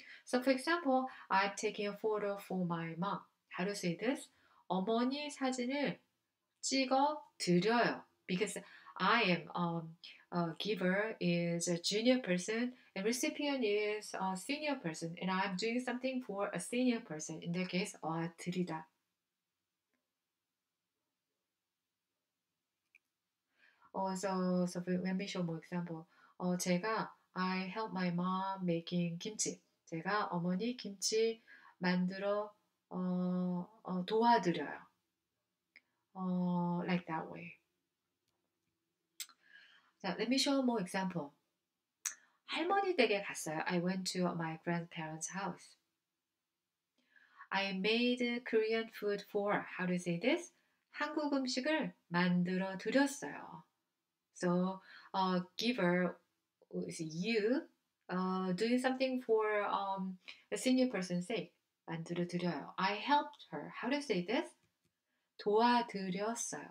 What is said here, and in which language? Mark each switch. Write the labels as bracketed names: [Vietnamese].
[English] So for example, I'm taking a photo for my mom. How to say this? [Korean] 어머니 사진을 찍어 드려요. [English] Because I am a giver is a junior person and recipient is a senior person and I'm doing something for a senior person. In that case, 드리다. So let me show more example. [Korean] 제가 [English] I help my mom making kimchi. [Korean] 제가 어머니 김치 만들어 도와드려요. [English] Like that way. So let me show more example. [Korean] 할머니 댁에 갔어요. [English] I went to my grandparents' house. I made Korean food for, how to say this? [Korean] 한국 음식을 만들어 드렸어요. [English] So, giver is you doing something for a senior person's sake. [Korean] 만들어 드려요. [English] I helped her. How to say this? [Korean] 도와드렸어요.